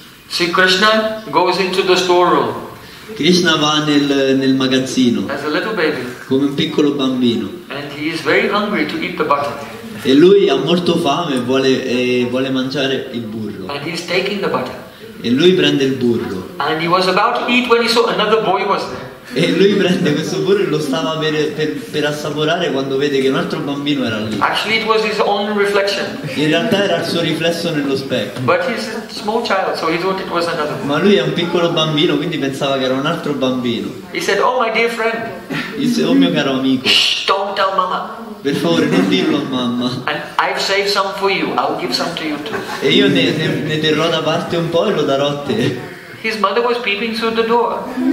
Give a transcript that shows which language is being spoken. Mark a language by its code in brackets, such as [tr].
[en] See, Krishna goes into the storeroom. [it] Krishna va nel magazzino [en] as a little baby, [it] come un piccolo bambino. [en] And he is very hungry to eat the butter. [it] E lui ha molto fame e vuole mangiare il burro. [en] And he is taking the butter. [it] E lui prende il burro. [en] And he was about to eat when he saw another boy was there. [it] E lui prende questo burro e lo stava per assaporare quando vede che un altro bambino era lì. [en] Actually, it was his own reflection. [it] In realtà era il suo riflesso nello specchio. [en] But he's a small child, so he thought it was another boy. [it] Ma lui è un piccolo bambino, quindi pensava che era un altro bambino. [en] He said, oh my dear friend. [it] Disse, oh mio caro amico. [en] Don't tell mama. [it] Per favore, non dirlo a mamma. [en] And I've saved some for you. I'll give some to you too. [it] E io ne terrò da parte un po' e lo darò a te. [en] His mother was peeping through the door.